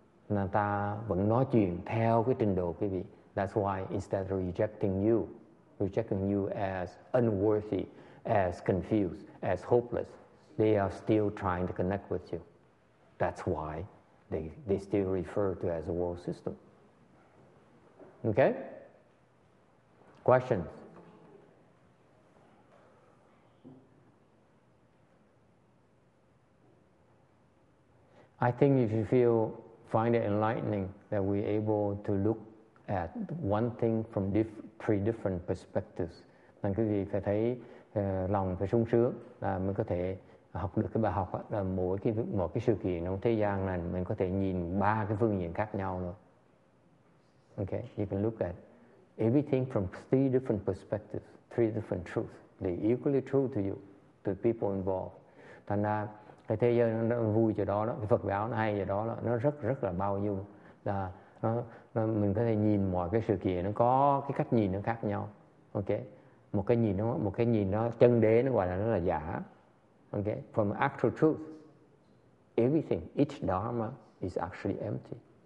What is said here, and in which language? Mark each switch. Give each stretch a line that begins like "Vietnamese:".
Vietnamese: Người ta vẫn nói chuyện theo cái trình độ của quý vị.
English: That's why instead of rejecting you as unworthy, as confused, as hopeless, they are still trying to connect with you. That's why they still refer to it as a world system. Okay? Questions? I think if you feel find it enlightening that we're able to look at one thing from three different perspectives.
Vietnamese: Nên quý vị phải thấy lòng phải sung sướng là mình có thể học được cái bài học là mỗi cái sự kiện trong thế gian này mình có thể nhìn ba cái phương diện khác nhau nữa.
English: Okay, you can look at everything from three different perspectives, three different truths. They're equally true to you, to people involved.
Vietnamese: Thành ra cái thế giới nó vui chỗ đó, cái Phật giáo nó hay chỗ đó, nó rất rất là bao dung, là nó mình có thể nhìn mọi cái sự kiện nó có cái cách nhìn nó khác nhau. Ok, một cái nhìn nó chân đế nó gọi là nó là giả.
English: Ok, from actual truth, everything, each dharma is actually empty.